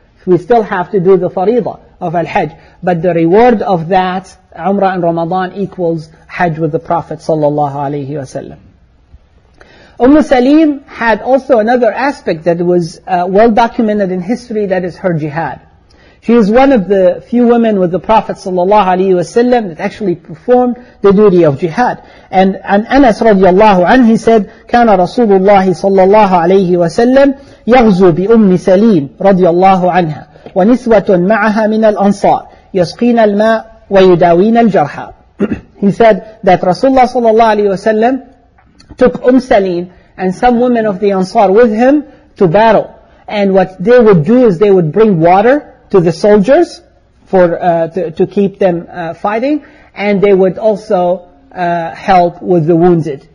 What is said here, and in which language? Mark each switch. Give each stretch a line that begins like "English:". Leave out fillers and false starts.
English: We still have to do the faridah of al-hajj. But the reward of that, Umrah and Ramadan, equals Hajj with the Prophet sallallahu alayhi wa sallam. Salim had also another aspect that was well documented in history, that is her jihad. She is one of the few women with the Prophet sallallahu alayhi wa sallam that actually performed the duty of jihad. And Anas radiallahu anhu, he said,
Arabic: "Kana Rasulullah sallallahu alayhi wa sallam يغزو بأم سليم رضي الله عنها ونسوة معها من الأنصار يسقين الماء ويداوين الجرحى."
English: He said that Rasulullah sallallahu alayhi wa sallam took Salim and some women of the Ansar with him to battle. And what they would do is they would bring water to the soldiers for to keep them fighting. And they would also help with the wounded.